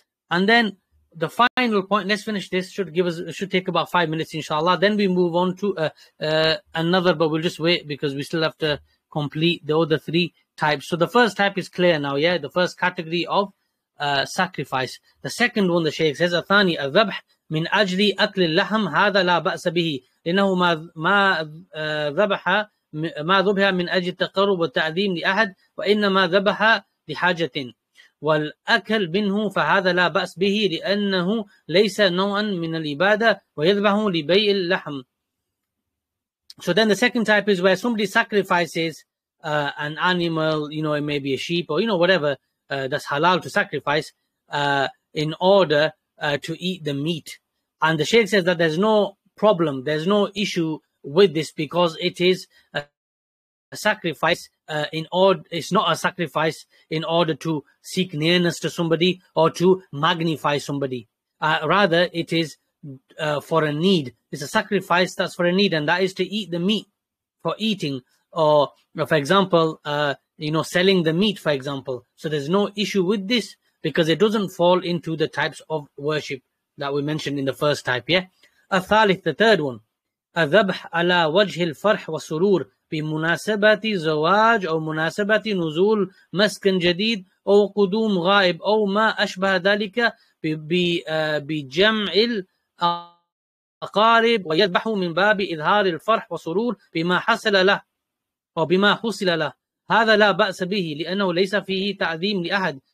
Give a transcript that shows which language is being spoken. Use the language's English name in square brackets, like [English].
[English] And then the final point, let's finish this, should take about 5 minutes, inshallah. Then we move on to another, but we'll just wait because we still have to complete the other three types. So the first type is clear now, yeah? The first category of sacrifice. The second one, the Shaykh says, [Arabic] أثاني الذبح من أجل أكل اللحم هذا لا بأس به لأنه ما ذبح ما ذبح من أجل التقرب والتعظيم لأحد وإنما ذبح لحاجة والأكل منه فهذا لا بأس به لأنه ليس نوعا من العبادة ويذبح لبيع اللحم. [English] So then the second type is where somebody sacrifices an animal, you know, it may be a sheep or, you know, whatever that's halal to sacrifice in order to eat the meat. And the Shaykh says that there's no problem, there's no issue with this because it is a sacrifice it's not a sacrifice in order to seek nearness to somebody or to magnify somebody. Rather, it is for a need. It's a sacrifice that's for a need, and that is to eat the meat for eating, or for example, you know, selling the meat, for example. So there's no issue with this because it doesn't fall into the types of worship that we mentioned in the first type. Yeah, ath-thalith, the third one. [Arabic] الذبح على وجه الفرح والسرور بمناسبة زواج أو مناسبة نزول مسكن جديد أو قدوم غائب أو ما أشبه ذلك بجمع الأقارب ويذبح من باب إظهار الفرح والسرور بما حصل له أو بما حصل له هذا لا بأس به لأنه ليس فيه تعظيم لأحد